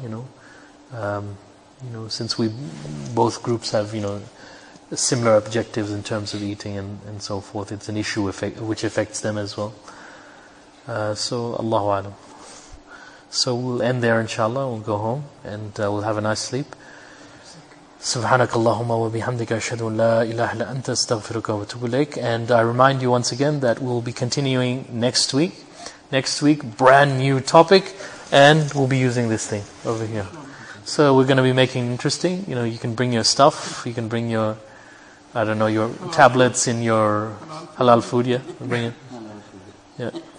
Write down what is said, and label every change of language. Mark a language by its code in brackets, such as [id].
[en] You know, since we both groups have, you know, similar objectives in terms of eating and so forth, it's an issue which affects them as well. So Allahu a'lam. So we'll end there, inshallah. We'll go home and we'll have a nice sleep. [ar] سبحانك اللهم وبحمدك أشهد أن لا إله إلا أنت أستغفرك وأتوب إليك. [en] And I remind you once again that we'll be continuing next week. Next week, brand new topic, and we'll be using this thing over here. So we're going to be making it interesting. You know, you can bring your stuff. You can bring your, I don't know, your tablets in your halal food. Yeah, bring it. Yeah.